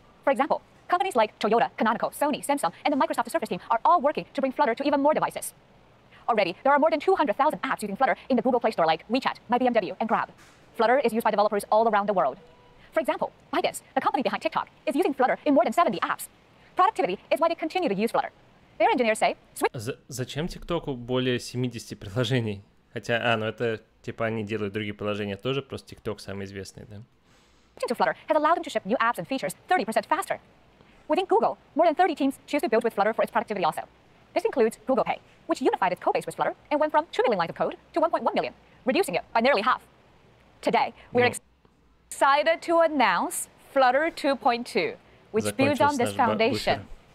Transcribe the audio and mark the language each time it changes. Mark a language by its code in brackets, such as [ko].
[en] For example, companies like Toyota, Canonical, Sony, Samsung, and the Microsoft Surface team are all working to bring Flutter to even more devices. Already, there are more than 200,000 apps using Flutter in the Google Play Store like WeChat, MyBMW, and Grab. Flutter is used by developers all around the world. For example, ByteDance, the company behind TikTok, is using Flutter in more than 70 apps. Productivity is why they continue to use Flutter. Their engineers say... [ru] Зачем TikTok более 70 приложений? Хотя, ну это, типа, они делают другие приложения тоже, просто TikTok самый известный, да? [en] Switching to Flutter has allowed them to ship new apps and features 30% faster. Within Google, more than 30 teams choose to build with Flutter for its productivity also. This includes Google Pay, which unified its code base with Flutter and went from 2 million lines of code to 1.1 million, reducing it by nearly half. Today, we're excited to announce Flutter 2.2, which builds on this foundation.